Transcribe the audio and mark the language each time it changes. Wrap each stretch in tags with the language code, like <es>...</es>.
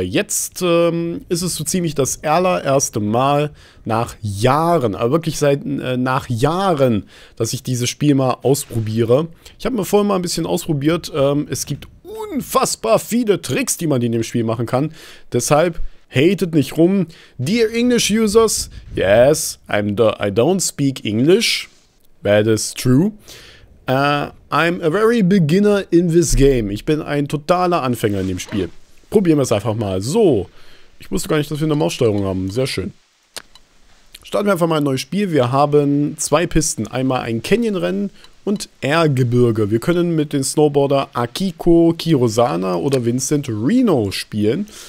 <de>Jetzt ist es so ziemlich das allererste Mal nach Jahren, aber wirklich seit nach Jahren, dass ich dieses Spiel mal ausprobiere. Ich habe mir vorher mal ein bisschen ausprobiert. Es gibt unfassbar viele Tricks, die man in dem Spiel machen kann. Deshalb hatet nicht rum.</de> <en>Dear English users, yes, I don't speak English. That is true. I'm a very beginner in this game.</en> <de>Ich bin ein totaler Anfänger in dem Spiel. Probieren wir es einfach mal. So. Ich wusste gar nicht, dass wir eine Maussteuerung haben. Sehr schön. Starten wir einfach mal ein neues Spiel. Wir haben zwei Pisten. Einmal ein Canyon-Rennen und R-Gebirge. Wir können mit den Snowboarder Akiko Kirosana oder Vincent Reno spielen.</de>